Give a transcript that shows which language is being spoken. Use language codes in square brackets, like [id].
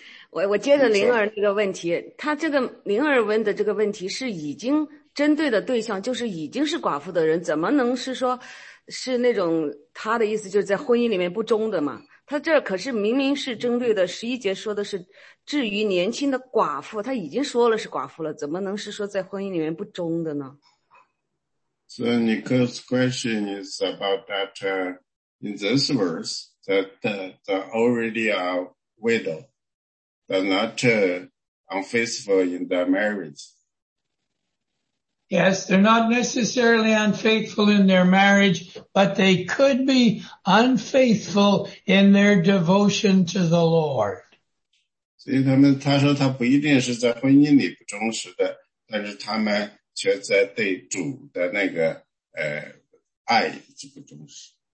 [zh] 我接着灵儿那个问题，他这个灵儿问的这个问题是已经针对的对象，就是已经是寡妇的人，怎么能是说是那种，他的意思就是在婚姻里面不忠的嘛？他这可是明明是针对的十一节说的是至于年轻的寡妇，他已经说了是寡妇了，怎么能是说在婚姻里面不忠的呢？ [en] So Nicole's question is about that in this verse that the already a widowAre not unfaithful in their marriage. Yes, they're not necessarily unfaithful in their marriage, but they could be unfaithful in their devotion to the Lord. [zh] 所以他说他不一定是在婚姻里不忠实的，但是他们却在对主的那个爱是不忠实。